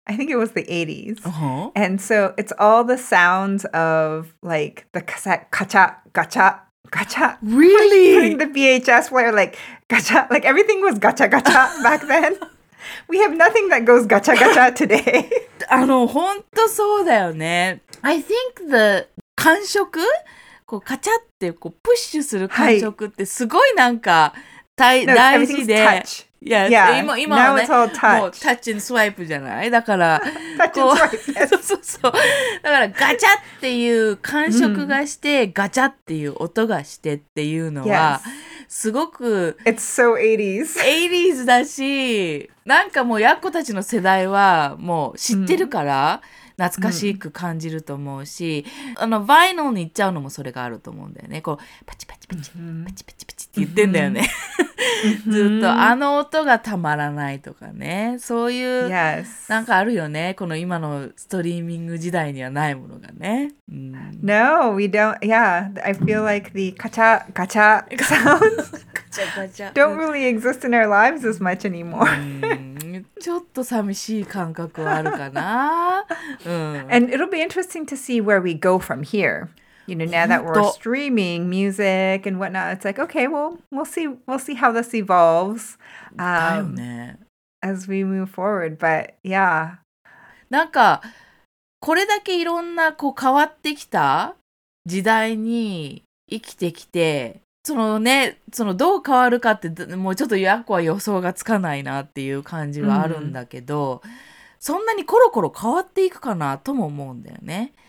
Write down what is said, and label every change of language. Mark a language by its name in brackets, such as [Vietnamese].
[English] I think it was the 80s. And so it's all the sounds of like the cassette, gacha, gacha, gacha. Really? Putting the VHS player like gacha, like everything was gacha, gacha back then. We have nothing that goes gacha, gacha today. [Japanese] あの、本当そうだよね。 [English] I think the... [Japanese] 感触こうカチャってこうプッシュする感触ってすごいなんか、はい、大事で、今はね、もうタッチスワイプじゃないだから、だからガチャっていう感触がして、ガチャっていう音がしてっていうのは、すごく、 [English] It's so 80s. [Japanese] 80s だし、なんかもうヤッコたちの世代はもう知ってるから、懐かしく感じると思うし、あの、ヴァイナルに行っちゃうのもそれがあると思うんだよね。こう、パチパチパチ、パチパチパチって言ってんだよね。ずっと、あの音がたまらないとかね。そういう、なんかあるよね。この今のストリーミング時代にはないものがね。 [English] No, we don't, yeah, I feel like the [Japanese] ガチャ、ガチャ [English] sounds don't really exist in our lives as much anymore. [Japanese] ちょっと寂しい感覚はあるかな。 [English] And it'll be interesting to see where we go from here. You know, now that we're streaming music and whatnot, it's like, okay, well, we'll see how this evolves as we move forward. But yeah. [Japanese] なんか、これだけいろんなこう変わってきた時代に生きてきて、そのね、そのどう変わるかってもうちょっとヤッコは予想がつかないなっていう感じはあるんだけど、そんなにコロコロ変わっていくかなとも思うんだよね。